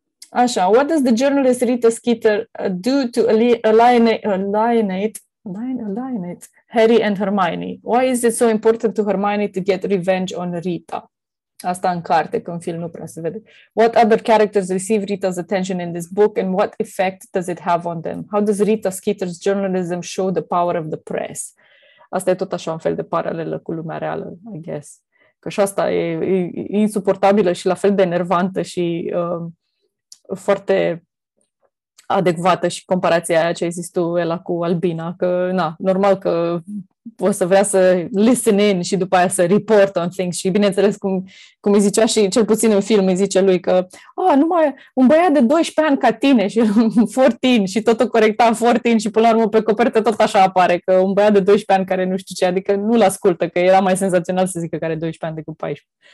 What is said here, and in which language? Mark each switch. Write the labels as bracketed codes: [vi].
[ro] Așa, what does the journalist Rita Skeeter do to alienate Harry and Hermione? Why is it so important to Hermione to get revenge on Rita? Asta în carte, că în film nu prea se vede. What other characters receive Rita's attention in this book and what effect does it have on them? How does Rita Skeeter's journalism show the power of the press? Asta e tot așa un fel de paralelă cu lumea reală, [en] I guess. [ro] Că și asta e insuportabilă și la fel de enervantă și foarte adecvată și comparația aia ce ai zis tu, Ela, cu Albina, că na, normal că o să vrea să [en] listen in [ro] și după aia să [en] report on things [ro] și bineînțeles cum îi zicea și cel puțin în film îi zice lui că numai un băiat de 12 ani ca tine și 14 și totul corecta 14 și până la urmă pe copertă tot așa apare că un băiat de 12 ani care nu știu ce, adică nu-l ascultă, că era mai senzațional să zică că are 12 ani decât 14.